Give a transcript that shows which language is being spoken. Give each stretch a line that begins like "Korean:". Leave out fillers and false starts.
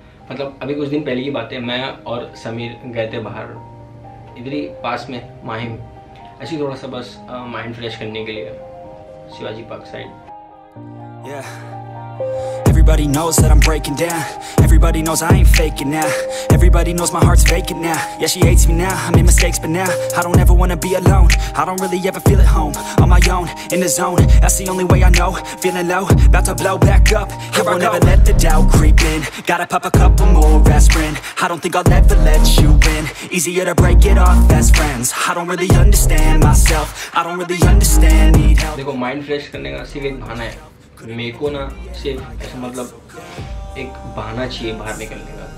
Hindi: मतलब अभी कुछ दिन पहले की बात है, मैं और समीर गए थे बाहर इधर ही पास में माहिम, ऐसी थोड़ा सा बस माइंड फ्रेश करने के लिए Shivaji park side.
English: Yeah. Everybody knows that I'm breaking down. Everybody knows I ain't faking now. Everybody knows my heart's faking now. Yeah, she hates me now. I made mistakes, but now I don't ever wanna be alone. I don't really ever feel at home. On my own, in the zone. That's the only way I know. Feeling low, about to blow back up. Here I won't ever let the doubt creep in. Gotta pop a couple more aspirin. I don't think I'll ever let you in. Easier to break it off best friends. I don't really understand myself. I don't really understand, need help.
Hindi: देखो, mind fresh करने का सिर्फ एक बहाना है। मेरे को ना सिर्फ ऐसा मतलब एक बहाना चाहिए बाहर निकलने का।